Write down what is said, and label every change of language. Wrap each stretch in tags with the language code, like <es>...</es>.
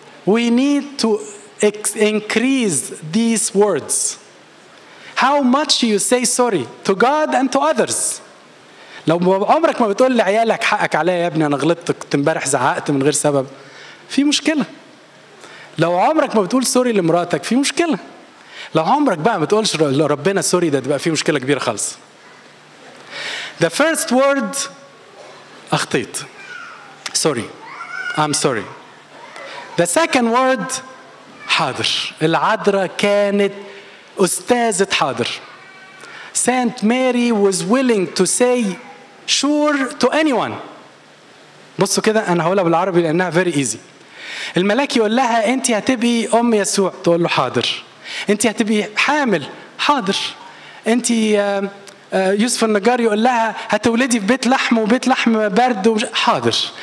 <en>We need to increase these words. How much you say sorry to God and to others.</en> <ar>لو عمرك ما بتقول لعيالك حقك عليا يا ابني انا غلطتك امبارح زعقت من غير سبب، في مشكله. لو عمرك ما بتقول سوري لمراتك، في مشكله. لو عمرك بقى ما تقولش لربنا سوري، ده تبقى في مشكله كبيره خالص.</ar> <en>The first word،</en> <ar>اخطيت.</ar> <en>Sorry. I'm sorry. The second word، حاضر.</en> <ar>العذراء كانت استاذه حاضر.</ar> <en>Saint Mary was willing to say sure to anyone.</en> <ar>بصوا كده انا هقولها بالعربي لانها</ar> <en>very easy.</en> <ar>الملاك يقول لها انت هتبقي ام يسوع، تقول له حاضر. انت هتبقي حامل، حاضر. انت يوسف النجار يقول لها هتولدي في بيت لحم وبيت لحم برد، حاضر.</ar>